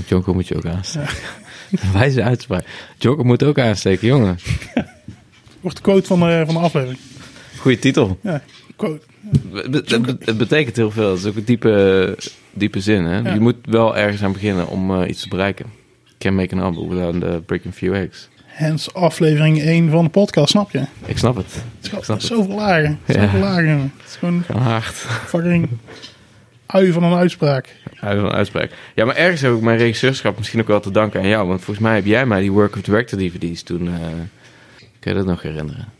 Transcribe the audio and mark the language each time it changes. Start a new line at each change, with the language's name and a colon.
Dutch: Jonker moet je ook aansteken. Ja. Wijze uitspraak. Jonker moet ook aansteken, jongen. Wordt de quote van de aflevering. Goeie titel. Ja, quote. Het betekent heel veel. Het is ook een diepe zin. Hè? Ja. Je moet wel ergens aan beginnen om iets te bereiken.
English: Can't make an album without the breaking few eggs.
Dutch: Hence aflevering 1 van de podcast, snap je? Ik snap het. Het is zoveel lager. Het is gewoon gaan hard. Fucking ui van een uitspraak. Ui van een uitspraak. Ja, maar ergens heb ik mijn regisseurschap misschien ook wel te danken aan jou. Want volgens mij heb jij mij die Work of Director DVD's toen... kun je dat nog herinneren?